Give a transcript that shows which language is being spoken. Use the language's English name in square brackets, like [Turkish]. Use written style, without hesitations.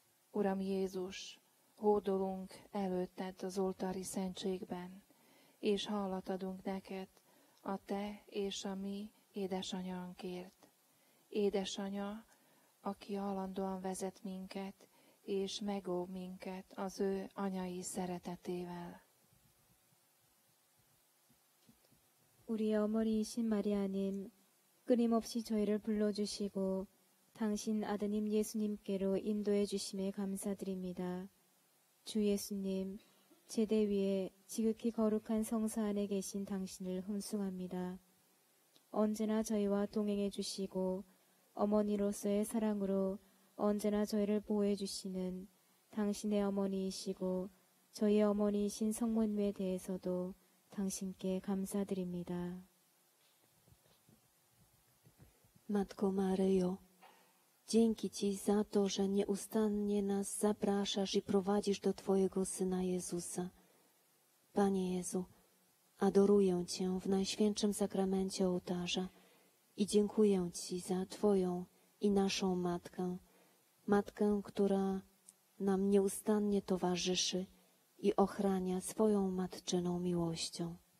[Hungarian] Uram Jézus, hódolunk előtted az oltári szentségben, és hálát adunk neked a te és a mi édesanyánkért. Édesanya, aki állandóan vezet minket, és megóv minket az ő anyai szeretetével. [Korean] 우리 어머니이신 마리아님, 끊임없이 저희를 불러주시고 당신 아드님 예수님께로 인도해 주심에 감사드립니다. 주 예수님, 제대 위에 지극히 거룩한 성사 안에 계신 당신을 훈숭합니다. 언제나 저희와 동행해 주시고 어머니로서의 사랑으로 언제나 저희를 보호해 주시는 당신의 어머니이시고 저희 어머니이신 성모님에 대해서도 당신께 감사드립니다. [Polish] Matko Maryjo, dzięki Ci za to, że nieustannie nas zapraszasz i prowadzisz do Twojego Syna Jezusa. Panie Jezu, adoruję Cię w Najświętszym Sakramencie Ołtarza i dziękuję Ci za Twoją i naszą Matkę, Matkę, która nam nieustannie towarzyszy i ochrania swoją matczyną miłością.